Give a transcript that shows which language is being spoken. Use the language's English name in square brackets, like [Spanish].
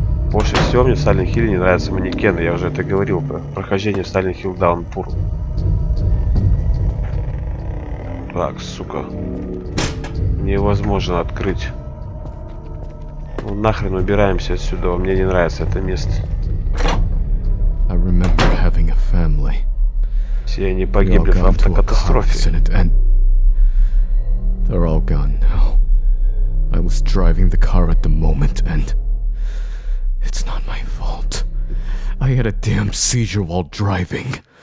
[Russian] Больше всего мне в Silent Hill не нравятся манекены. Я уже это говорил про прохождение в Silent Hill Downpour. Так, сука. Невозможно открыть. Ну, нахрен убираемся отсюда. Мне не нравится это место. [English] I remember having a family. [Russian] Все они погибли в автокатастрофе. [English] They're all gone now. I was driving the car at the moment and... It's not my fault. I had a damn seizure while driving.